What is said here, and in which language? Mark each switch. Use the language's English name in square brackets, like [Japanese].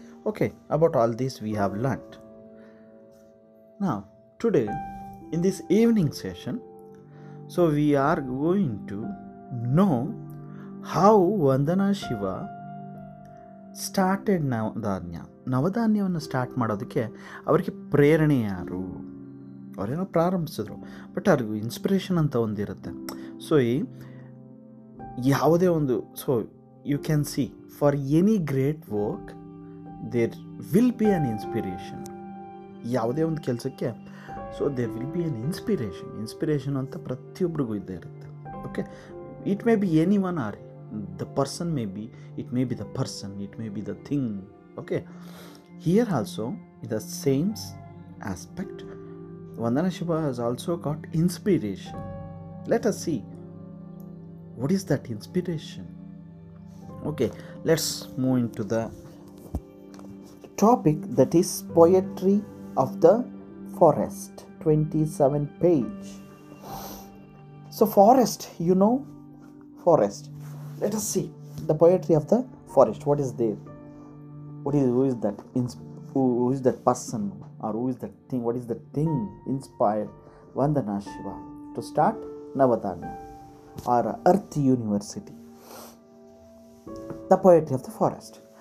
[English] Okay, about all this we have learnt. Now, today, in this evening session, so we are going to know how Vandana Shiva started [Kannada] ನವಧಾನ್ಯವನ್ನು start ಮಾಡೋದಕ್ಕೆ ಅವರಿಗೆ ಪ್ರೇರಣೆ ಯಾರು, ಅವರೇನೋ ಪ್ರಾರಂಭಿಸಿದ್ರು but ಅವ್ರಿಗೂ inspiration ಅಂತ ಒಂದಿರುತ್ತೆ. [English] so ಯಾವುದೇ ಒಂದು, so you can see for any great work there will be an inspiration, [Kannada] ಯಾವುದೇ ಒಂದು ಕೆಲಸಕ್ಕೆ. [English] so there will be an inspiration, [Kannada] inspiration ಅಂತ ಪ್ರತಿಯೊಬ್ಬರಿಗೂ ಇದ್ದೇ ಇರುತ್ತೆ. [English] Okay, it may be any one or the person, may be it may be the person, it may be the thing. Okay, here also in the same aspect Vandana Shiva has also got inspiration. Let us see what is that inspiration. Okay, let's move in to the topic, that is poetry of the forest, 27 page. So forest, you know forest, let us see the poetry of the forest. What is there, what is, who is that who is that person, or who is that thing, what is that thing inspired Vandana Shiva to start Navadanya or Earth University, the poetry of the forest.